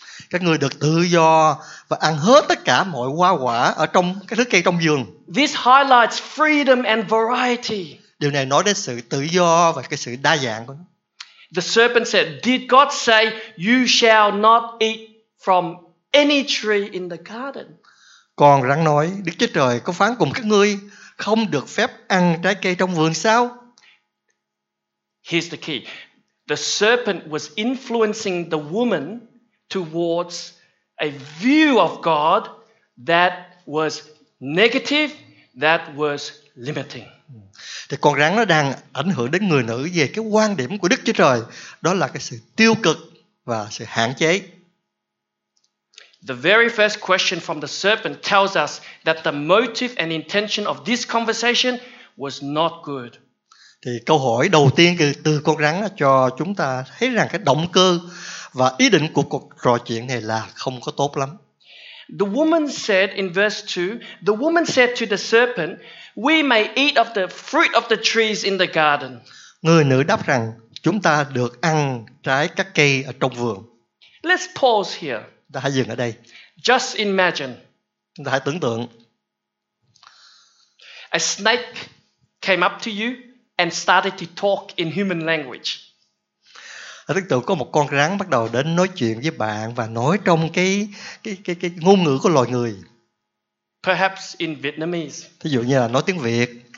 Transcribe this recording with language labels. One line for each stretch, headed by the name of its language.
Vietnamese: Các ngươi được tự do và ăn hết tất cả mọi hoa quả ở trong cái thứ cây trong vườn.
English: This highlights freedom and variety.
Vietnamese: Điều này nói đến sự tự do và cái sự đa dạng của nó.
English: The serpent said, "Did God say you shall not eat from any tree in the garden?"
Vietnamese: Còn rắn nói, Đức Chúa Trời có phán cùng các ngươi không được phép ăn trái cây trong vườn sao?
English: Here's the key. The serpent was influencing the woman towards a view of God that was negative, that was limiting.
Vietnamese: Thì con rắn nó đang ảnh hưởng đến người nữ về cái quan điểm của Đức Chúa Trời, đó là cái sự tiêu cực và sự hạn chế.
English: The very first question from the serpent tells us that the motive and intention of this conversation was not good.
Vietnamese: Thì câu hỏi đầu tiên từ con rắn cho chúng ta thấy rằng cái động cơ và ý định của cuộc trò chuyện này là không có tốt lắm.
English: The woman said in verse 2, the woman said to the serpent, "We may eat of the fruit of the trees in the garden."
Vietnamese: Người nữ đáp rằng, chúng ta được ăn trái các cây ở trong vườn.
English: Let's pause here.
Vietnamese: Ta hãy dừng ở đây.
English: Just imagine.
Vietnamese: Chúng ta hãy tưởng tượng.
English: A snake came up to you and started to talk in human language.
Vietnamese: tức tự có một con rắn bắt đầu đến nói chuyện với bạn và nói trong cái ngôn ngữ của loài người.
English: Perhaps in Vietnamese.
Vietnamese: Thí dụ như là nói tiếng Việt.